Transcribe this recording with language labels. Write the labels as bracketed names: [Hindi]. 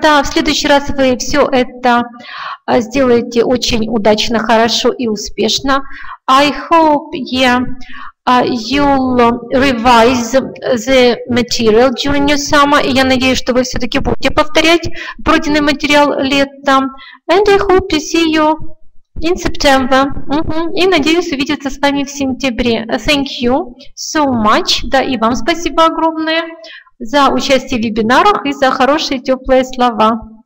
[Russian] Да, в следующий раз вы все это сделаете очень удачно, хорошо и успешно. [English] I hope you... you'll revise the material during your summer. [Russian] И я надеюсь, что вы все-таки будете повторять пройденный материал летом. [English] And I hope to see you in September. [Russian] И надеюсь увидеться с вами в сентябре. [English] Thank you so much. [Russian] Да, и вам спасибо огромное за участие в вебинарах и за хорошие теплые слова.